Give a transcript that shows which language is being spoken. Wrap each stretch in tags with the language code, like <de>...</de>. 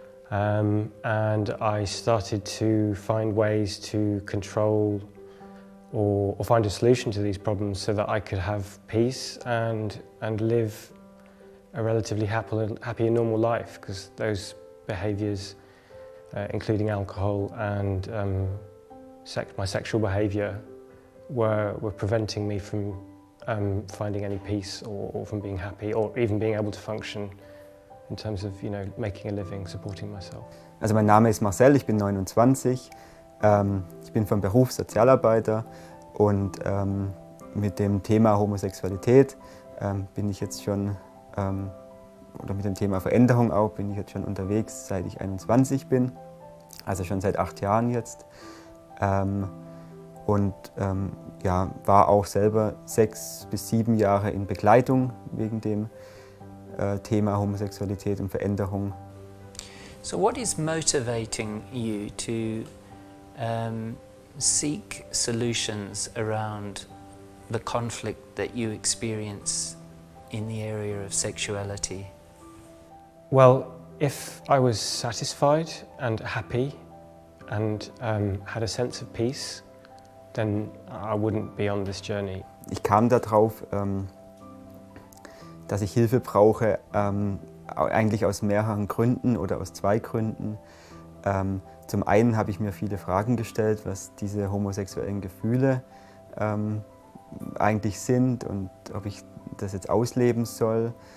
<en>And I started to find ways to control or find a solution to these problems so that I could have peace and live a relatively happy and normal life, because those behaviors, including alcohol and my sexual behavior, were preventing me from finding any peace or from being happy or even being able to function in terms of, you know, making a living, supporting myself.</en> <de>Also mein Name ist Marcel, ich bin 29. Ich bin von Beruf Sozialarbeiter und mit dem Thema Homosexualität bin ich jetzt schon, oder mit dem Thema Veränderung auch, bin ich jetzt schon unterwegs, seit ich 21 bin. Also schon seit 8 Jahren jetzt. und ja, war auch selber 6 bis 7 Jahre in Begleitung wegen dem Thema Homosexualität und Veränderung.</de> <en>So what is motivating you to seek solutions around the conflict that you experience in the area of sexuality? Well, if I was satisfied and happy and had a sense of peace, then I wouldn't be on this journey.</en> <de>Ich kam darauf, dass ich Hilfe brauche, eigentlich aus mehreren Gründen oder aus 2 Gründen. Zum einen habe ich mir viele Fragen gestellt, was diese homosexuellen Gefühle eigentlich sind und ob ich das jetzt ausleben soll.</de>